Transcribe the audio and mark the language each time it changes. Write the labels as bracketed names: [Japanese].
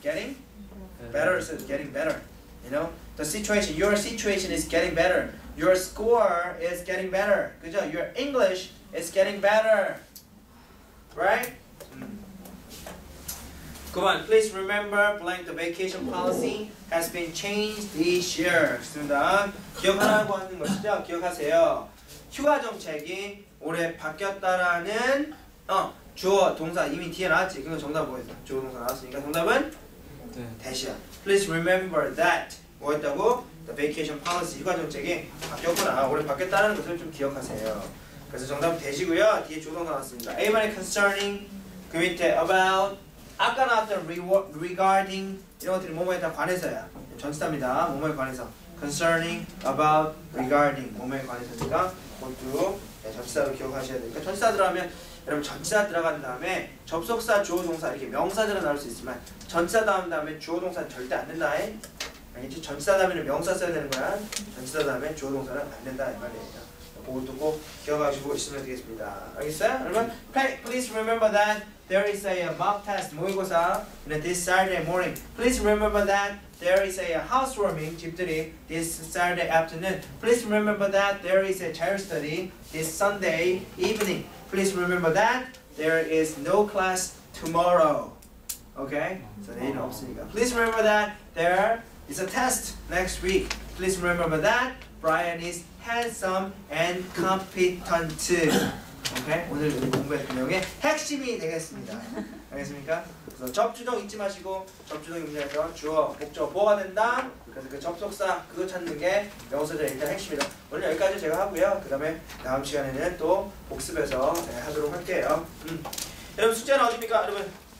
[English] getting better says getting better You know, the situation, your situation is getting better. Your score is getting better. [Korean] 그죠? [English] Your English is getting better. Right? 9번, please remember blank the vacation policy has been changed this year. [Korean] 좋습니다. 기억하라고 하는 것이죠? 기억하세요. 휴가 정책이 올해 바뀌었다라는 주어, 동사 이미 뒤에 나왔지. 그거 정답 보였다. 주어, 동사 나왔으니까 정답은? 대시야. 네. [English] Please remember that. [Korean] 뭐였다고? [English] The vacation policy, [Korean] 휴가 정책이 바뀌었구나. 올해 바뀌었다는 것을 좀 기억하세요. 그래서 정답은 되시고요. 뒤에 조동사 나왔습니다. [English] A money concerning, [Korean] 그 밑에 about, 아까 나왔던 regarding, 이런 것들이 뭐뭐에 다 관해서야. 전치사입니다. 뭐뭐에 관해서. [English] Concerning, about, regarding, [Korean] 뭐뭐에 관해서니까 모두 네, 전치사로 기억하셔야 되니까 전치사들 하면 여러분 전치사 들어간 다음에 접속사, 주어동사 이렇게 명사들은 나올 수 있지만 전치사 다음에 주어동사 절대 안 된다. 아니지 전치사 다음에는 명사 써야 되는 거야. 전치사 다음에 주어동사는 안 된다 이 말입니다. 그거 두고 기억하시고 있으면 되겠습니다. 알겠어요? 여러분, [English] please remember that there is a mock test [Korean] 모의고사 [English] in this Saturday morning. Please remember that there is a housewarming [Korean] 집들이 [English] this Saturday afternoon. Please remember that there is a child study this Sunday evening. Please remember that there is no class tomorrow. Okay? So [Korean] 내일 없으니까. [English] Please remember that there. It's a test next week. Please remember that Brian is handsome and competent. Okay? [Korean] 오늘 공부할 내용의 핵심이 되겠습니다. 알겠습니까? 그래서 접주동 잊지 마시고 접주동이 문제에서 주어, 목적, 뭐가 된다? 그래서 그 접속사 그거 찾는 게 명사절의 일단 핵심이다. 오늘 여기까지 제가 하고요. 그 다음에 다음 시간에는 또 복습해서 네, 하도록 할게요. 여러분 숙제는 어딥니까? 여러분.